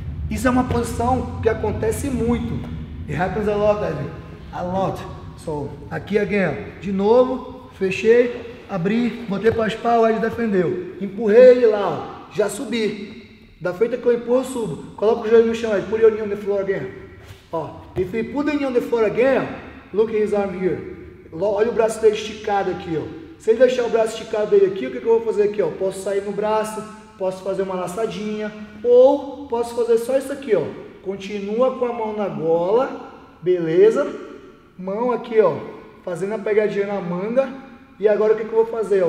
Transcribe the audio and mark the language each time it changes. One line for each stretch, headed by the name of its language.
Portuguese: Isso é uma posição que acontece muito.
English: It happens a lot, Ed. A lot.
Portuguese: So, aqui again, de novo, fechei, abri, botei para raspar, o Ed defendeu. Empurrei ele lá, ó. Já subi. Da feita que eu empurro, eu subo. Coloca o joelho no chão, Ed.
English: Put your knee on the floor again.
Portuguese: Ó.
English: If he put the knee on the floor again, look at his arm here.
Portuguese: Olha o braço dele esticado aqui, ó. Se ele deixar o braço esticado dele aqui, o que, que eu vou fazer aqui, ó? Posso sair no braço, posso fazer uma laçadinha, ou posso fazer só isso aqui, ó. Continua com a mão na gola, beleza? Mão aqui, ó. Fazendo a pegadinha na manga. E agora o que, que eu vou fazer, ó?